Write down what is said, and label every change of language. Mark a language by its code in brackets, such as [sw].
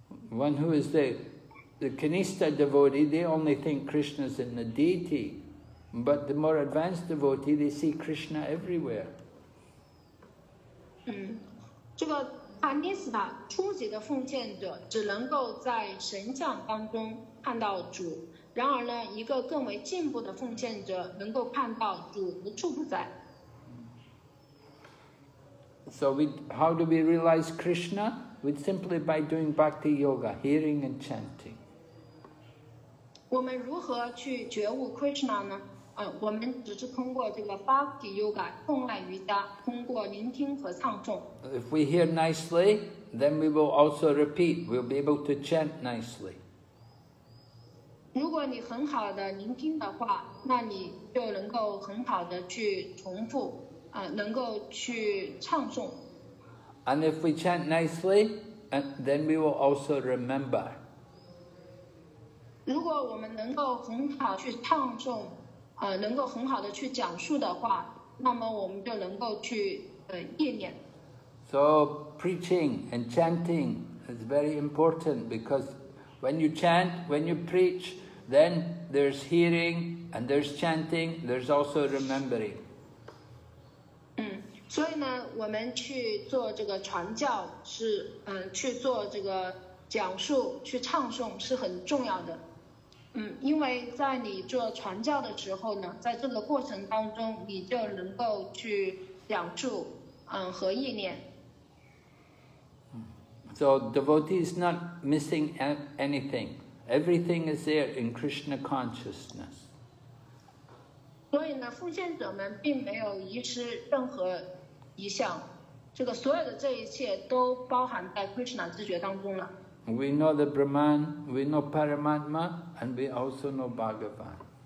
[en] One who is the Kanista devotee, they only think Krishna is in the deity, but the more advanced devotee, they see Krishna everywhere. [zh] 这个 Kanista 初级的奉献者只能够在神像当中看到主，然而呢，一个更为进步的奉献者能够看到主无处不在。 [en] So how do we realize Krishna? We simply by doing bhakti yoga, hearing and chanting. [zh] 我们如何去觉悟 Krishna 呢？我们只是通过这个 bhakti yoga, 痛爱瑜伽，通过聆听和唱诵。 [en] If we hear nicely, then we will also repeat. We'll be able to chant nicely. [zh] 如果你很好的聆听的话，那你就能够很好的去重复。能够去唱诵。 [en] And if we chant nicely, then we will also remember. [zh] 如果我们能够很好去唱诵，能够很好的去讲述的话，那么我们就能够去忆念。 [en] So preaching and chanting is very important because when you chant, when you preach, then there's hearing and there's chanting, there's also remembering. [zh] 所以呢，我们去做这个传教是，去做这个讲述、去唱诵是很重要的。因为在你做传教的时候呢，在这个过程当中，你就能够去讲述，和意念。 [en] So devotee is not missing anything. Everything is there in Krishna consciousness. [zh] 所以呢，奉献者们并没有遗失任何一项，这个所有的这一切都包含在 Krishna 知觉当中了。 [en] We know the Brahman, we know Paramatma, and we also know Bhagavan.